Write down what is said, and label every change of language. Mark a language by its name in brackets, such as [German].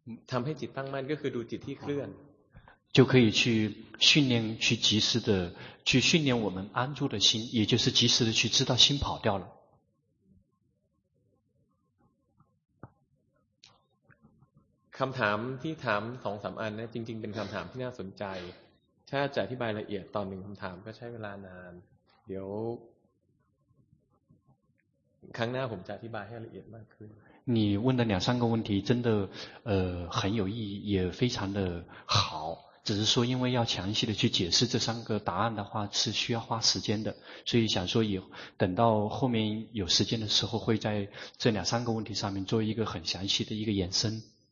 [Thai] ทำให้จิตตั้งมั่นก็คือดูจิตที่เคลื่อน [Chinese] 就可以去训练去及时的去训练我们安住的心也就是及时的去知道心跑掉了 [Thai] คำถามที่ถาม 2-3 อันนะจริงๆเป็นคำถามที่น่าสนใจถ้าจะอธิบายละเอียดตอนหนึ่งคำถามก็ใช้เวลานานเดี๋ยวครั้งหน้าผมจะอธิบายให้ละเอียดมากขึ้น [Chinese] 你问的两三个问题真的很有意义也非常的好只是说因为要详细的去解释这三个答案的话是需要花时间的所以想说以等到后面有时间的时候会在这两三个问题上面做一个很详细的一个延伸